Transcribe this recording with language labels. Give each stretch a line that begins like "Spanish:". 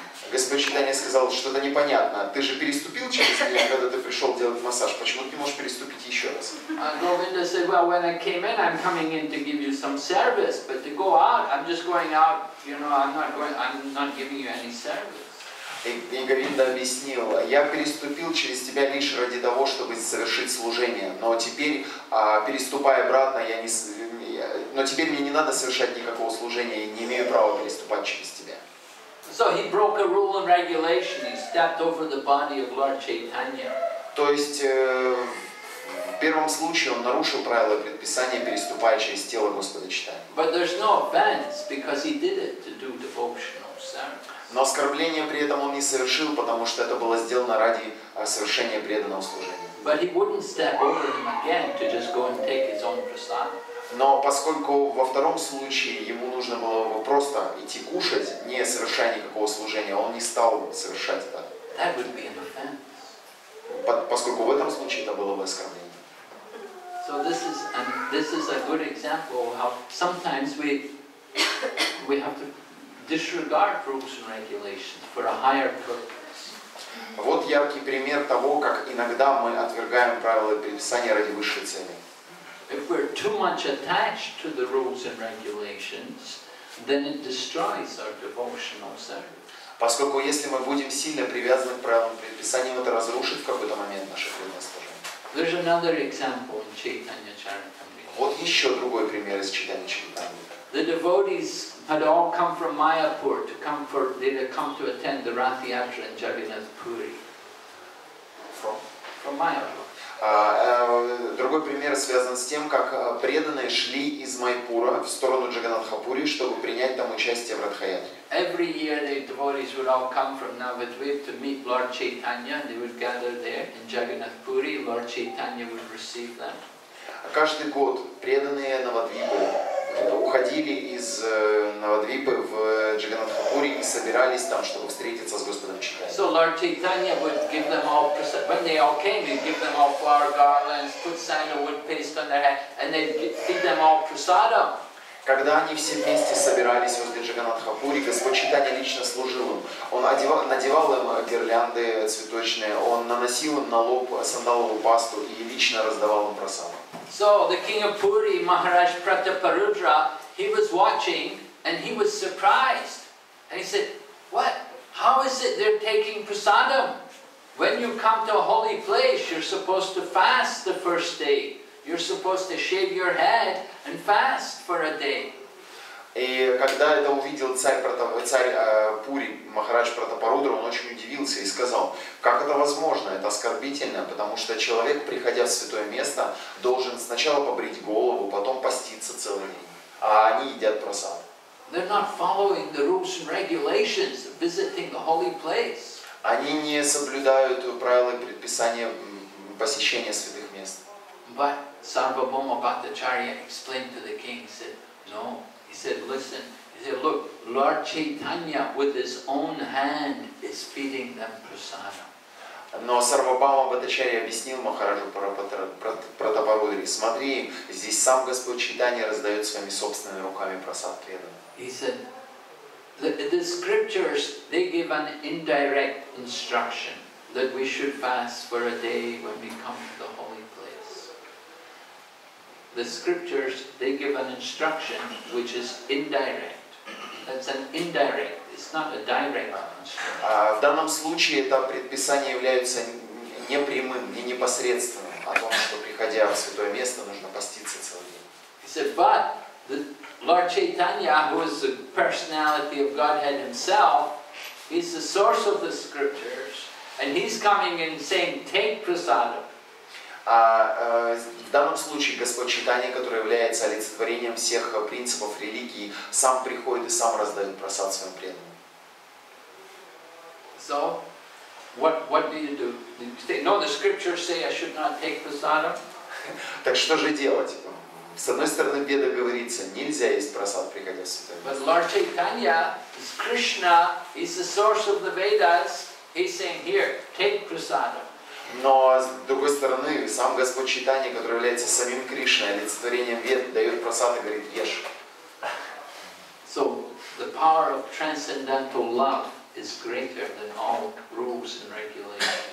Russian: Господь Чайтанья сказал, что-то непонятно. Ты же переступил через меня, когда ты пришел делать массаж. Почему ты не можешь переступить еще раз?
English: Говинда said, well, when I came in, I'm coming in to give you some service, but to go out, I'm just going out, you know, I'm not giving you any service.
Russian: И Говинда объяснил, я переступил через тебя лишь ради того, чтобы совершить служение, но теперь, переступая обратно, теперь мне не надо совершать никакого служения, я не имею права переступать через тебя.
English: So he broke a rule and regulation. He stepped over the body of Lord Chaitanya.
Russian: То есть в первом случае он нарушил правила предписания, переступая через тело Господа Чайтаньи.
English: But there's no offense because he did it to do devotional service.
Russian: Но оскорбление при этом он не совершил, потому что это было сделано ради совершения преданного служения.
English: But he wouldn't step over him again to just go and take his own prasad.
Russian: Но поскольку во втором случае ему нужно было бы просто идти кушать, не совершая никакого служения, он не стал совершать это.
English: That would be an offense.
Russian: Поскольку в этом случае это было бы оскорбление.
English: So this is a good example of how sometimes we have to disregard rules and regulations for a higher purpose.
Russian: Вот яркий пример того, как иногда мы отвергаем правила предписания ради высшей цели.
English: If we're too much attached to the rules and regulations, then it destroys our devotional service.
Russian: Поскольку если мы будем сильно привязаны к правилам предписаниям, это разрушит в какой-то момент наше преданное служение.
English: There's another example in Chaitanya Charitamrita.
Russian: Вот еще другой пример из Чайтаньи Чаритамриты.
English: The devotees had all come from Mayapur to come for they had come to attend the Rath Yatra in Jagannath Puri. From Mayapur.
Russian: Другой пример связан с тем, как преданные шли из Майпура в сторону Джаганатхапури, чтобы принять там участие в Радхаятре.
English: Every year the devotees would all come from Navadvip to meet Lord Chaitanya, and they would gather there in Jagannath Puri, Lord Chaitanya would receive them.
Russian: Каждый год преданные Навадвипы уходили из Навадвипы в Джаганатхапури и собирались там, чтобы встретиться с Господом Чайтаньей.
English: So Lord Chaitanya would give them all when they all came, he'd give them all flower garlands, put sandalwood paste on their head, and they'd feed them all prasadam.
Russian: Когда они все вместе собирались возле Джаганатхапури, Господь Чайтанья лично служил им. Он надевал им гирлянды цветочные, он наносил им на лоб сандаловую пасту и лично раздавал им прасаду.
English: So the king of Puri, Maharaj Prataparudra, he was watching and he was surprised. And he said, what? How is it they're taking prasadam? When you come to a holy place, you're supposed to fast the first day. You're supposed to shave your head and fast for a day.
Russian: И когда это увидел царь Пури, Махарадж Пратапарудра, он очень удивился и сказал, как это возможно, это оскорбительно, потому что человек, приходя в святое место, должен сначала побрить голову, потом поститься целый день, а они едят прасад.
English: They're not following the rules and regulations of visiting the holy place.
Russian: Они не соблюдают правила и предписания посещения святых мест.
English: But Sarvabhauma Bhattacharya explained to the king, said, no. He said, listen, he said, look, Lord Chaitanya with his own hand is feeding them prasadam.
Russian: Но Сарвабхаума Бхаттачарья объяснил Махараджу Пратапарудре, смотри, здесь сам Господь Чайтанья раздает своими собственными руками прасад преданным.
English: He said, the scriptures, they give an indirect instruction that we should fast for a day when we come to the holy. The scriptures, they give an instruction which is indirect. That's an indirect, it's not a direct instruction.
Russian: В данном случае это предписание является не прямым, не непосредственным о том, что приходя в святое место, нужно поститься целый день.
English: He said, but the Lord Chaitanya, who is the personality of Godhead himself, he's the source of the scriptures, and he's coming and saying, take prasadam.
Russian: В данном случае Господь Чайтанья, который является олицетворением всех принципов религии, сам приходит и сам раздает прасад своим преданным.
English: So, what do you do? No, the scriptures say I should not take prasadam.
Russian: Так что же делать? С одной стороны, Веда говорится, нельзя есть просад, приходя в святое место.
English: But Lord Chaitanya, Krishna, is the source of the Vedas. He's saying, here, take prasada.
Russian: Но с другой стороны, сам Господь Чайтанья, который является самим Кришной, олицетворением Вед, дает просад и говорит, ешь.
English: So the power of transcendental love is greater than all rules and regulations.